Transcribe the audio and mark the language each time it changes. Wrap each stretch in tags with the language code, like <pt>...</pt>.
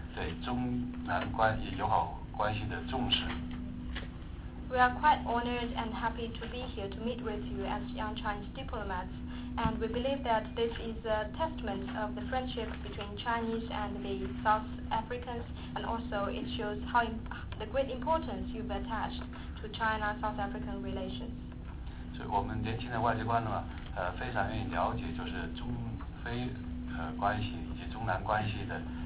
<zh>对中南关系友好关系的重视。</zh> <en>We are quite honored and happy to be here to meet with you as young Chinese diplomats, and we believe that this is a testament of the friendship between Chinese and the South Africans, and also it shows how the great importance you've attached to China-South African relations.</en> <zh>所以我们年轻的外交官呢，非常愿意了解就是中非关系以及中南关系的。</zh>